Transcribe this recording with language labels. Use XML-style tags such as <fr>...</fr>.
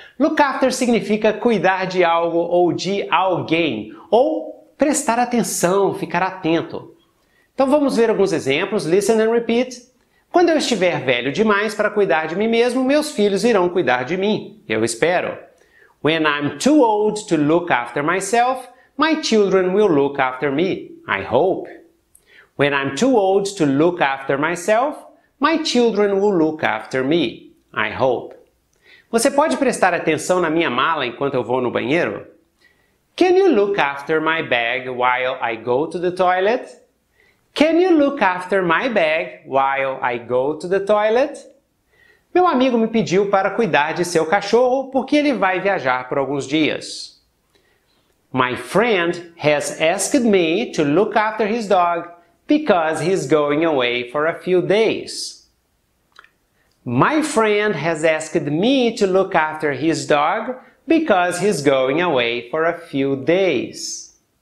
<pt>Look after significa cuidar de algo ou de alguém, ou prestar atenção, ficar atento. Então vamos ver alguns exemplos.</pt> <en>Listen and repeat.</en> <pt>Quando eu estiver velho demais para cuidar de mim mesmo, meus filhos irão cuidar de mim. Eu espero.</pt> <en>When I'm too old to look after myself, my children will look after me. I hope. When I'm too old to look after myself, my children will look after me. I hope.</en> <pt>Você pode prestar atenção na minha mala enquanto eu vou no banheiro?</pt> <en>Can you look after my bag while I go to the toilet? Can you look after my bag while I go to the toilet?</en> <pt>Meu amigo me pediu para cuidar de seu cachorro porque ele vai viajar por alguns dias.</pt> <en>My friend has asked me to look after his dog because he's going away for a few days. My friend has asked me to look after his dog because he's going away for a few days.</en>